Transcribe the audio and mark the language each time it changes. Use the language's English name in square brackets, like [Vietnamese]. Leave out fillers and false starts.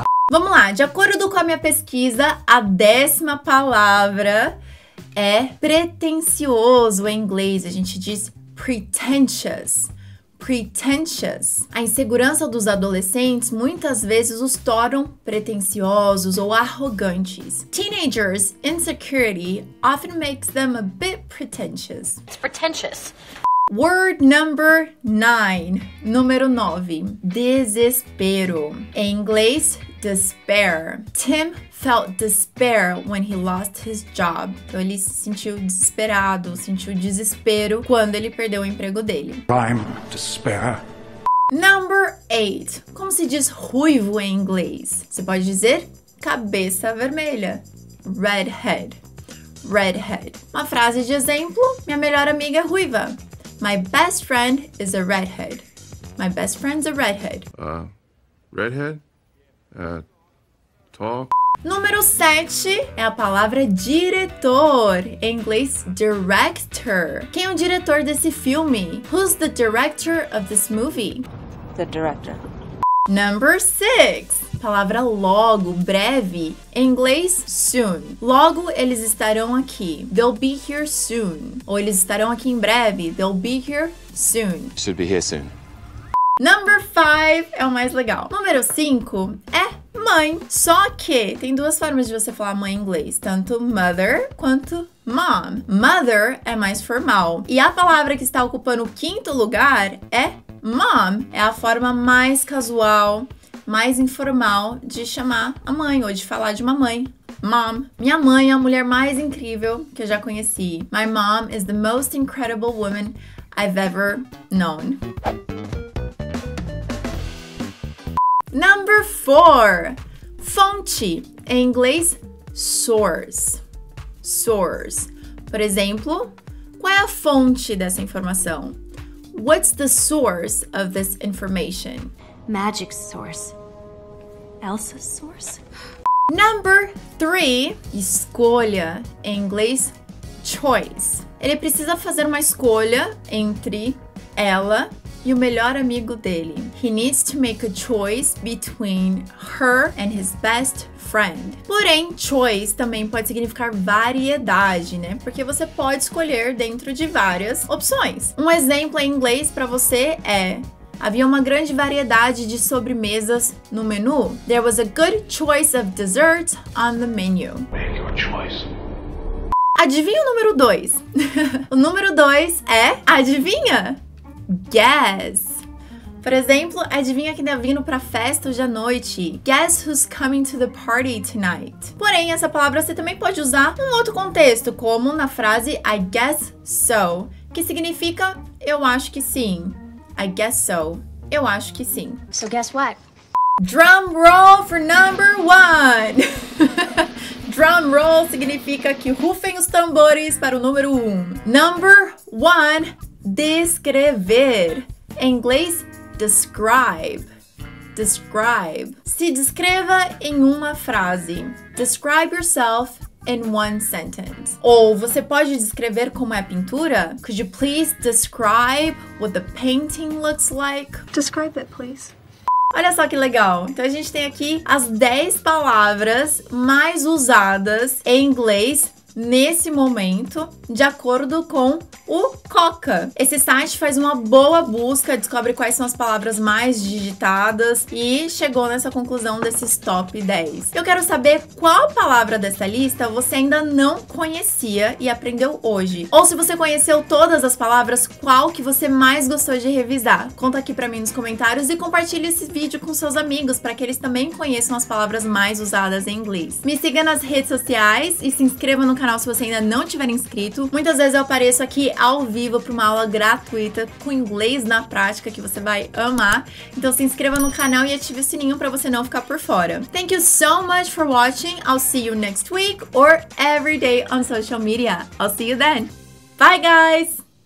[Portuguese] Vamos lá, de acordo com a minha pesquisa, a 10ª palavra é pretensioso em inglês. A gente diz pretentious, pretentious. A insegurança dos adolescentes muitas vezes os tornam pretensiosos ou arrogantes. [English] Teenagers' insecurity often makes them a bit pretentious. It's pretentious. Word number 9, [Portuguese] número 9, desespero. Em inglês, despair. [English] Tim felt despair when he lost his job. [Portuguese] Então ele se sentiu desesperado, sentiu desespero quando ele perdeu o emprego dele. [English] Rhyme, despair. Number 8, [Portuguese] como se diz ruivo em inglês? Você pode dizer cabeça vermelha. Redhead, redhead. Uma frase de exemplo, minha melhor amiga é ruiva. [English] My best friend is a redhead. My best friend's a redhead. Redhead? Tall? [Portuguese] Número 7 é a palavra diretor. Em inglês, director. Quem é o diretor desse filme? [English] Who's the director of this movie? The director. Number 6. [Portuguese] Palavra logo, breve. Em inglês, soon. Logo, eles estarão aqui. [English] They'll be here soon. [Portuguese] Ou eles estarão aqui em breve. [English] They'll be here soon. Should be here soon. Number 5 [Portuguese] é o mais legal. Número 5 é mãe. Só que tem duas formas de você falar mãe em inglês. Tanto mother quanto mom. Mother é mais formal. E a palavra que está ocupando o quinto lugar é mom. É a forma mais casual, mais informal de chamar a mãe ou de falar de uma mãe. Mom. Minha mãe é a mulher mais incrível que eu já conheci. [English] My mom is the most incredible woman I've ever known. Number 4. [Portuguese] Fonte. Em inglês, source. Source. Por exemplo, qual é a fonte dessa informação? [English] What's the source of this information? Magic source. Elsa's source. Number 3, [Portuguese] escolha. Em inglês, choice. Ele precisa fazer uma escolha entre ela e o melhor amigo dele. [English] He needs to make a choice between her and his best friend. [Portuguese] Porém, choice também pode significar variedade, né? Porque você pode escolher dentro de várias opções. Um exemplo em inglês para você é: havia uma grande variedade de sobremesas no menu. [English] There was a good choice of desserts on the menu. Make your choice. [Portuguese] Adivinha o número 2? O número 2 é, adivinha? Guess. Por exemplo, adivinha quem tá vindo pra festa hoje à noite? [English] Guess who's coming to the party tonight. [Portuguese] Porém, essa palavra você também pode usar num outro contexto, como na frase [English] I guess so, [Portuguese] que significa eu acho que sim. [English] I guess so. [Portuguese] Eu acho que sim. [English] So guess what? Drum roll for number 1! [Portuguese] Drum roll significa que rufem os tambores para o número 1. [English] Number 1, descrever. [Portuguese] Em inglês, describe. Describe. Se descreva em uma frase. [English] Describe yourself in one sentence. [Portuguese] Ou você pode descrever como é a pintura? [English] Could you please describe what the painting looks like? Describe it, please. [Portuguese] Olha só que legal. Então a gente tem aqui as 10 palavras mais usadas em inglês nesse momento, de acordo com o Coca. Esse site faz uma boa busca, descobre quais são as palavras mais digitadas e chegou nessa conclusão desses top 10. Eu quero saber qual palavra dessa lista você ainda não conhecia e aprendeu hoje. Ou se você conheceu todas as palavras, qual que você mais gostou de revisar? Conta aqui pra mim nos comentários e compartilhe esse vídeo com seus amigos para que eles também conheçam as palavras mais usadas em inglês. Me siga nas redes sociais e se inscreva no canal se você ainda não tiver inscrito. Muitas vezes eu apareço aqui ao vivo para uma aula gratuita com inglês na prática que você vai amar. Então se inscreva no canal e ative o sininho para você não ficar por fora. [English] Thank you so much for watching. I'll see you next week or every day on social media. I'll see you then. Bye, guys!